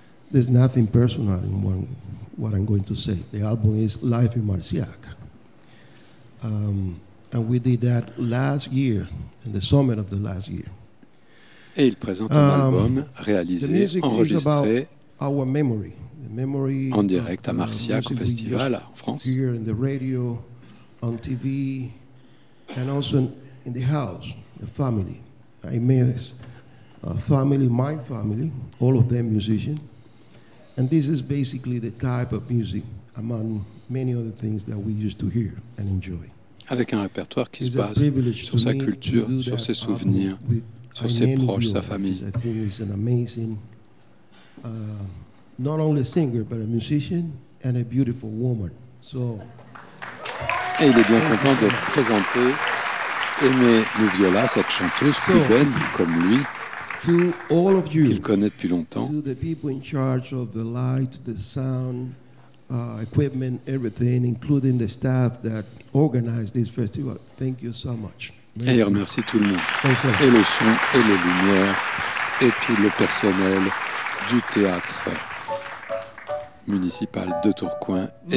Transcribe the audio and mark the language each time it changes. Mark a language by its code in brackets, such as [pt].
[en] There's nothing personal in one, what I'm going to say. The album is Life in Marciac. And we did that last year, in the summer of the last year. [fr] Et il présente un album réalisé, enregistré. [en] The music is about our memory. [fr] En direct à Marciac au festival en France. [en] Here in the radio, on TV, and also in the house, the family. I miss family, my family, all of them musicians. And this is basically the type of music, among many other things, that we used to hear and enjoy. [fr] Avec un répertoire qui se base sur sa culture, sur ses souvenirs, sur ses proches, sa famille. [en] I think it's an amazing. Not only a singer, but a musician and a beautiful woman. So. [fr] Et il est bien content de présenter Aimé Nouviola, cette chanteuse cubaine comme lui, [en] to all of you, [fr] qu'il connaît depuis longtemps. [en] To the people in charge of the lights, the sound, equipment, everything, including the staff that organized this festival. Thank you so much. [fr] Merci. Et il remercie tout le monde. Merci. Et le son, et les lumières, et puis le personnel du théâtre municipal de Tourcoing et